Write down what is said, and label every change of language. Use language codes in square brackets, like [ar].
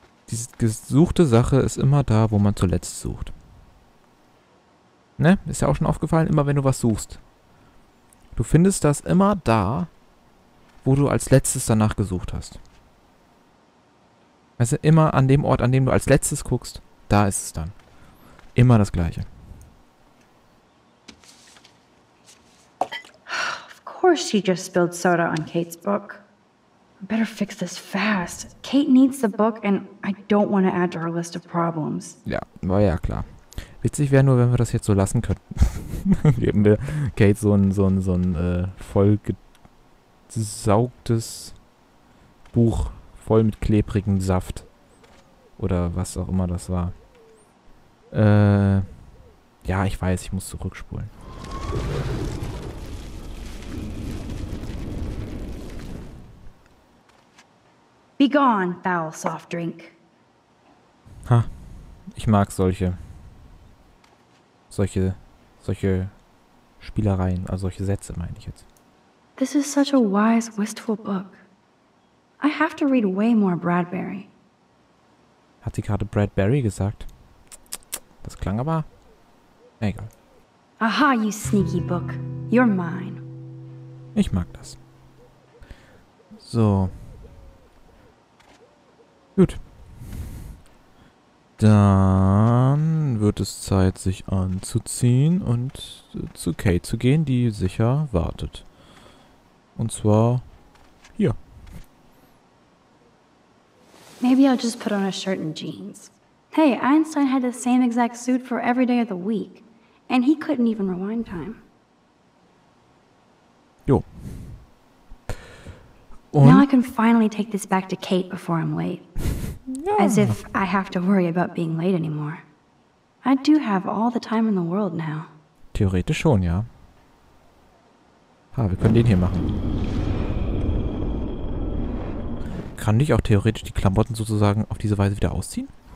[de] Die gesuchte Sache ist immer da, wo man zuletzt sucht. Ne? Ist ja auch schon aufgefallen, immer wenn du was suchst. Du findest das immer da, wo du als letztes danach gesucht hast. Also immer an dem Ort, an dem du als letztes guckst, da ist es dann. Immer das Gleiche. [en] Of course she just spilled soda on Kate's book. Better fix this fast. Kate needs the book and I don't want to add to her list of problems. [de] Ja, war ja klar. Witzig wäre nur, wenn wir das jetzt so lassen könnten. Geben wir Kate so ein vollgesaugtes Buch voll mit klebrigem Saft. Oder was auch immer das war. Ja, ich weiß, ich muss zurückspulen. [en] Be gone, foul soft drink. [de] Ha, ich mag solche Spielereien, also solche Sätze meine ich jetzt. [en] This is such a wise, wistful book. I have to read way more Bradbury. [de] Hat sie gerade Bradbury gesagt? Das klang aber... Egal. [en] Aha, you sneaky book. You're mine. [de] Ich mag das. So... Gut. Dann wird es Zeit, sich anzuziehen und zu Kate zu gehen, die sicher wartet. Und zwar hier. [en] Maybe I'll just put on a shirt and jeans. Hey, Einstein had the same exact suit for every day of the week. And he couldn't even rewind time. [de] Jo. Und? [en] Now I can finally take this back to Kate before I'm late. [de] Ja. [en] As if I have to worry about being late anymore. I do have all the time in the world now. [de] Theoretisch schon, ja. Ha, wir können den hier machen. Kann ich auch theoretisch die Klamotten sozusagen auf diese Weise wieder ausziehen?